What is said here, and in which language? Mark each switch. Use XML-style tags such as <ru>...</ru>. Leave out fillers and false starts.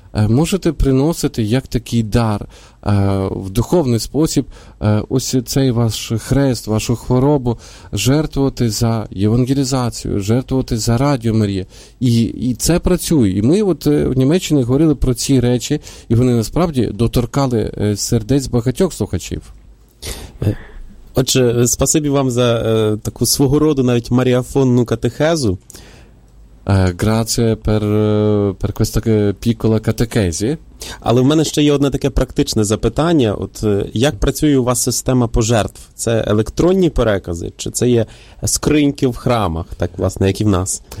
<uk>Можете приносити як такий дар в духовний спосіб ось цей ваш хрест, вашу хворобу, жертвувати за євангелізацію, жертвувати за Радіо Марія. І це працює. І ми от в Німеччині говорили про ці речі, і вони насправді доторкали сердець багатьох слухачів. Отже, спасибі вам за таку свого роду навіть маріафонну катехезу.</uk> <it>Grazie per questa piccola catechesi.</it> <uk>Але в мене ще є одне таке практичне запитання. От як працює у вас система пожертв? Це електронні перекази, чи це є скриньки в храмах, так власне, як і в нас?</uk>